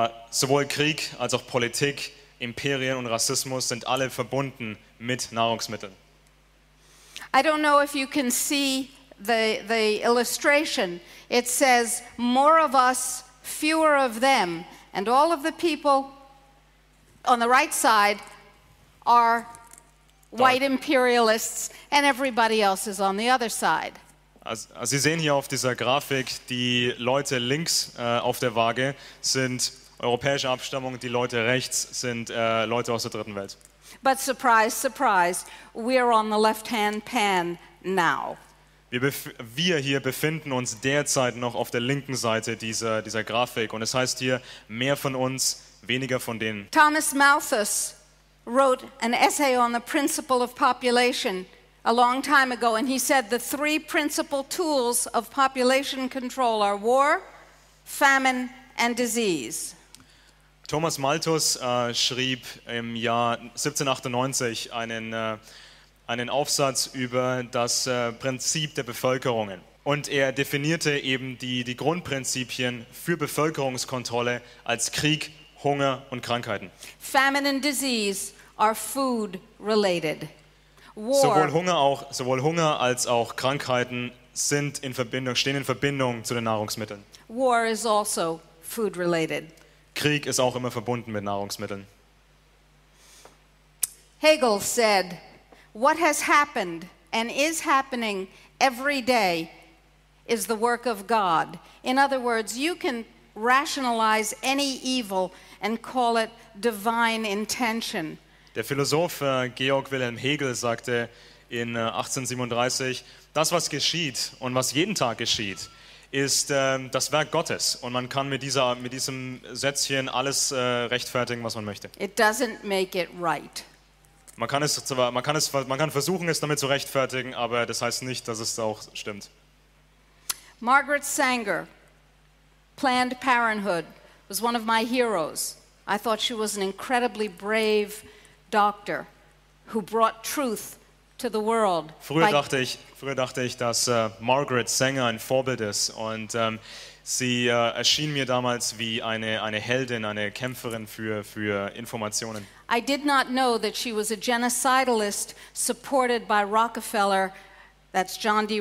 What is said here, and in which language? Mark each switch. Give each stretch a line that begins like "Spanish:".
German: Sowohl Krieg als auch Politik, Imperien und Rassismus sind alle verbunden mit Nahrungsmitteln.
English: I don't know if you can see the illustration. It says more of us, fewer of them. And all of the people on the right side are white imperialists and everybody else is on the other side.
German: Also Sie sehen hier auf dieser Grafik, die Leute links auf der Waage sind europäische Abstammung, die Leute rechts sind Leute aus der dritten Welt.
English: But surprise, surprise, we are on the left-hand pan now.
German: Wir hier befinden uns derzeit noch auf der linken Seite dieser Grafik und es heißt hier, mehr von uns, weniger von denen.
English: Thomas Malthus wrote an essay on the principle of population a long time ago and he said the three principal tools of population control are war, famine and disease.
German: Thomas Malthus schrieb im Jahr 1798 einen Aufsatz über das Prinzip der Bevölkerungen. Und er definierte eben die Grundprinzipien für Bevölkerungskontrolle als Krieg, Hunger und Krankheiten.
English: Famine and disease are food related. War.
German: Sowohl Hunger als auch Krankheiten stehen in Verbindung zu den Nahrungsmitteln.
English: War is also food related.
German: Krieg ist auch immer verbunden mit Nahrungsmitteln.
English: Hegel said, what has happened and is happening every day is the work of God. In other words, you can rationalize any evil and call it divine intention.
German: Der Philosoph Georg Wilhelm Hegel sagte in 1837, das, was geschieht und was jeden Tag geschieht, ist das Werk Gottes. Und man kann mit diesem Sätzchen alles rechtfertigen, was man möchte.
English: It doesn't make it right.
German: Man kann versuchen, es damit zu rechtfertigen, aber das heißt nicht, dass es auch stimmt.
English: Margaret Sanger, Planned Parenthood, was one of my heroes. I thought she was an incredibly brave doctor who brought truth to the world.
German: Früher dachte ich, dass Margaret Sanger ein Vorbild ist und sie erschien mir damals wie eine Heldin, eine Kämpferin für Informationen.
English: I did not know that she was a genocidalist supported by Rockefeller, that's John D.